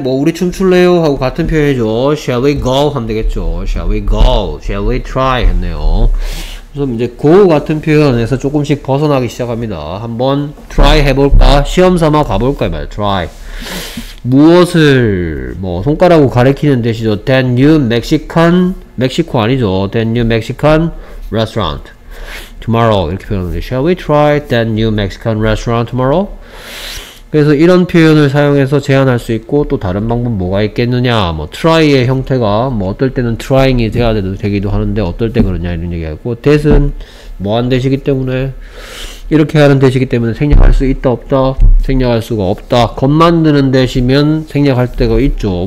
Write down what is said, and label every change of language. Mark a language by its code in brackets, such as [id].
[ko] 뭐 우리 춤출래요? 하고 같은 표현이죠. Shall we go? 하면 되겠죠. [en] Shall we go? Shall we try? [ko] 했네요. 그럼 이제 go 같은 표현에서 조금씩 벗어나기 시작합니다. 한번 try 해볼까? 시험삼아 가볼까? 말이야. try 무엇을 뭐 손가락으로 가리키는 뜻이죠. [en] That new Mexican, [ko] 멕시코 아니죠. [en] That new Mexican restaurant tomorrow [ko] 이렇게 표현하는데, [en] shall we try that new Mexican restaurant tomorrow? [ko] 그래서 이런 표현을 사용해서 제안할 수 있고, 또 다른 방법 뭐가 있겠느냐, 뭐 try의 형태가 뭐 어떨 때는 trying이 돼야 되기도 하는데 어떨 때 그러냐 이런 얘기하고, that은 뭐 한 대시기 때문에, 이렇게 하는 대시기 때문에 생략할 수 있다 없다? 생략할 수가 없다. 겉만 드는 대시면 생략할 때가 있죠.